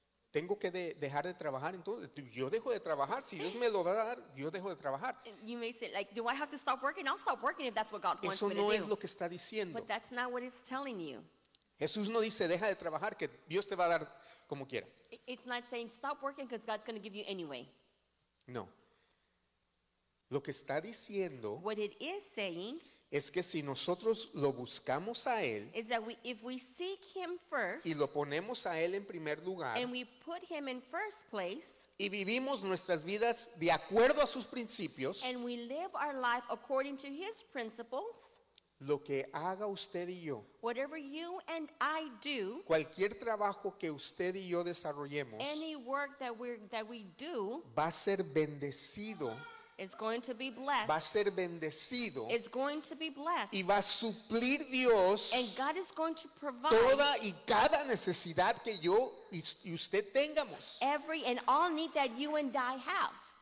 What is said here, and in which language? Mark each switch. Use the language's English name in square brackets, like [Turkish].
[Spanish] Tengo que dejar de trabajar, entonces yo dejo de trabajar. Si Dios me lo va a dar, yo dejo de trabajar. [English] You may say, like, do I have to stop working? I'll stop working if that's what God wants me to do. [Spanish] Eso no es lo que está diciendo. [English] But that's not what it's telling you. [Spanish] Jesús no dice, deja de trabajar, que Dios te va a dar como quiera. [English] It's not saying, stop working because God's going to give you anyway. [Spanish] No. Lo que está diciendo, [English] what it is saying, [Spanish] es que si nosotros lo buscamos a Él, [English] is that we, if we seek Him first, [Spanish] y lo ponemos a Él en primer lugar, [English] and we put Him in first place, [Spanish] y vivimos nuestras vidas de acuerdo a sus principios, [English] and we live our life according to His principles, [Spanish] lo que haga usted y yo, [English] whatever you and I do, [Spanish] cualquier trabajo que usted y yo desarrollemos, [English] any work that we do, [Spanish] va a ser bendecido. [English] It's going to be blessed. [Spanish] Va a ser bendecido. [English] It's going to be blessed. [Spanish] Y va a suplir Dios. [English] And God is going to provide [Spanish] toda y cada necesidad que yo y usted tengamos. [English] Every and all need that you and I have.